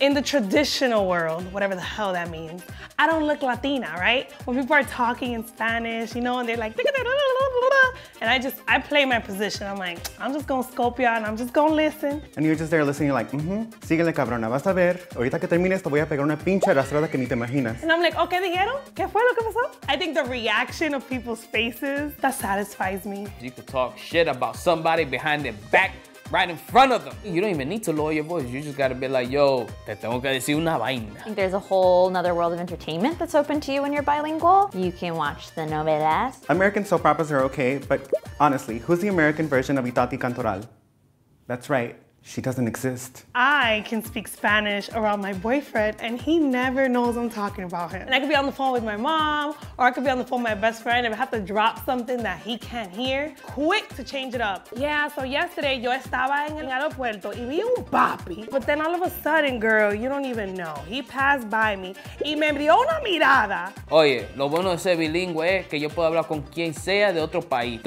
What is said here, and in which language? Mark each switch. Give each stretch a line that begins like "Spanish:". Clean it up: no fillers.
English: In the traditional world, whatever the hell that means, I don't look Latina, right? When people are talking in Spanish, you know, and they're like, and I play my position. I'm like, I'm just gonna scope y'all and I'm just gonna listen. And you're just there listening, you're like,
Spanish: síguele cabrona, vas a ver. Ahorita que termines, te voy a pegar una pinche arrastrada que ni te imaginas.
English: And I'm like, okay,
Spanish: dijeron? ¿Qué fue lo que pasó?
English: I think the reaction of people's faces, that satisfies me. You could talk shit about somebody behind their back, right in front of them. You don't even need to lower your voice. You just gotta be like, yo,
Spanish: te tengo que decir una vaina.
English: I think there's a whole nother world of entertainment that's open to you when you're bilingual. You can watch the novelas. American soap operas are okay, but honestly, who's the American version of Itati Cantoral? That's right, she doesn't exist. I can speak Spanish around my boyfriend and he never knows I'm talking about him. And I could be on the phone with my mom or I could be on the phone with my best friend and I have to drop something that he can't hear. Quick to change it up. Yeah, so yesterday,
Spanish: yo estaba en el aeropuerto y vi un papi.
English: But then all of a sudden, girl, you don't even know. He passed by me
Spanish: y me envió una mirada. Oye, lo bueno de ser bilingüe es que yo puedo hablar con quien sea de otro país.